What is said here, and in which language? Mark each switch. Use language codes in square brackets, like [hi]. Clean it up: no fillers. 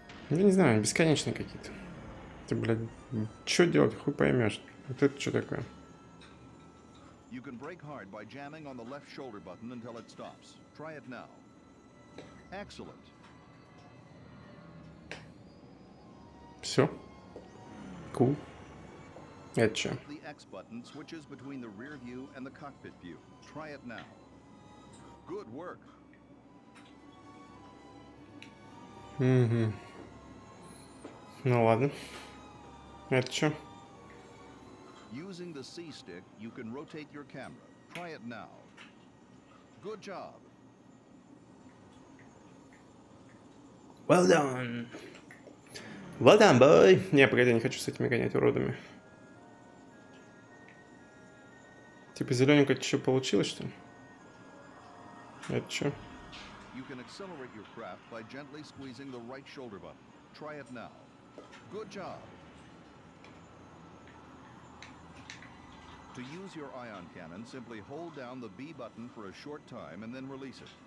[ru] Я не знаю, бесконечные какие-то. Ты, блядь, что делать, хуй поймешь. Вот это что такое? [en] You can break hard by jamming on the left shoulder button until it stops. Try it now. Excellent. [ru] Все. Кул. Это что? [en] The X button switches between the rear view and the cockpit view. Try it now. Good work. [ru] Ну ладно. Это что? [en] Using the C stick, you can rotate your camera. Try it now. Good job. Well done. Well done, boy. [ru] Не, погоди, не хочу с этими гонять уродами. Типа зелененькое что получилось, что ли? Это что? [en] You can accelerate your craft by gently squeezing the right shoulder button. Try it now. Good job. To use your ion cannon, simply hold down the B button for a short time and then release it.